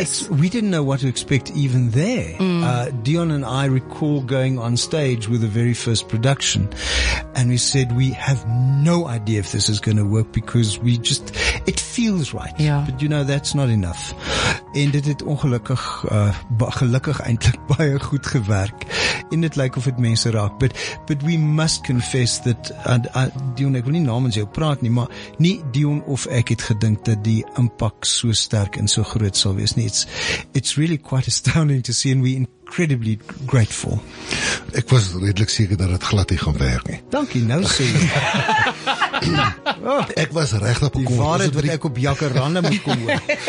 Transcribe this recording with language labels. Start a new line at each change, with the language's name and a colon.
English: We didn't know what to expect even there. Mm. Dion and I recall going on stage with the very first production and we said we have no idea if this is going to work because we just, it feels right. Yeah. But you know, that's not enough. And it had
Afrikaans: ongelukkig, gelukkig eindelijk baie goed gewerk. En dit lyk of dit mense raak.
English: But we must confess that Dion,
Afrikaans: ek wil nie namens jou praat nie, maar nie Dion of ek het gedink dat die impak so sterk en so groot sal wees nie.
English: It's really quite astounding to see, and we incredibly grateful.
Afrikaans: Ek was redelik seker dat dit glad nie gaan werk nie. Dankie, nou sê jy. Ek was regtig bekommerd. Die waarheid wat ek op Jacaranda moet kom hoor.